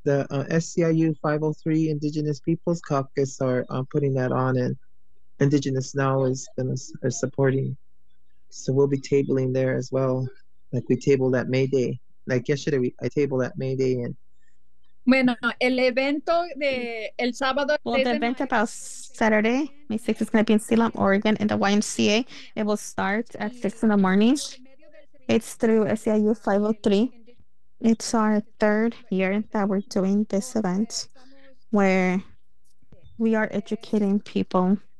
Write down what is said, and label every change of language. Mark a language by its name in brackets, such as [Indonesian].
[English] The SCIU 503 Indigenous Peoples Caucus are putting that on, and Indigenous Now is supporting. So we'll be tabling there as well, like we tabled at May Day. Like yesterday, I tabled at May Day. And [Spanish] bueno, el evento de el sábado. [English] Well, the event about Saturday, May 6th, is going to be in Salem, Oregon, in the YMCA. It will start at 6 in the morning. It's through SCIU 503. It's our third year that we're doing this event, where we are educating people.